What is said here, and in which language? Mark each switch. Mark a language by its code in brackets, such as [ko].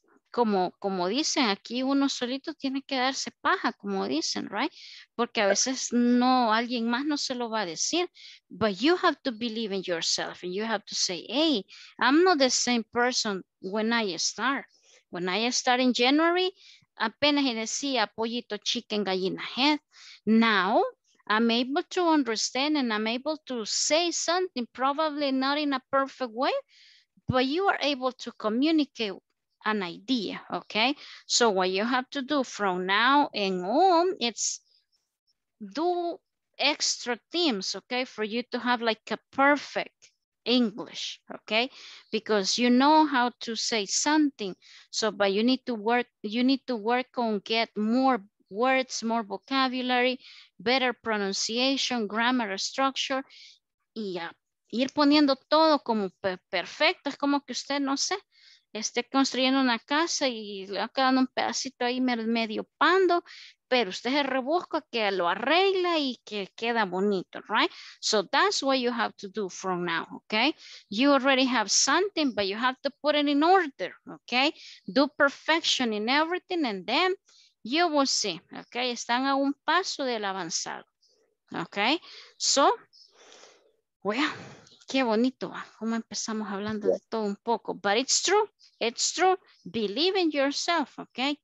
[es] Como dicen aquí, uno solito tiene que darse paja, como dicen, right? Porque a veces no, alguien más no se lo va a decir. [en] But you have to believe in yourself and you have to say, hey, I'm not the same person when I start. When I started in January, [es] apenas decía pollito, [en] chicken, gallina, head. Now, I'm able to understand and I'm able to say something, probably not in a perfect way, but you are able to communicate an idea, okay? So what you have to do from now and on, it's do extra things, okay? For you to have like a perfect English, okay? Because you know how to say something, so but you need to work on get more words, more vocabulary, better pronunciation, grammar structure, [es] y ir poniendo todo como perfecto. Es como que usted, no sé, esté construyendo una casa y le va quedando un pedacito ahí medio pando, pero usted se rebusca que lo arregla y que queda bonito, right? [en] So that's what you have to do from now, okay? You already have something, but you have to put it in order, okay? Do perfection in everything and then you will see, okay? [es] Están a un paso del avanzado, okay? So, well, qué bonito, cómo empezamos hablando de todo un poco, [en] but it's true, believe in yourself, okay?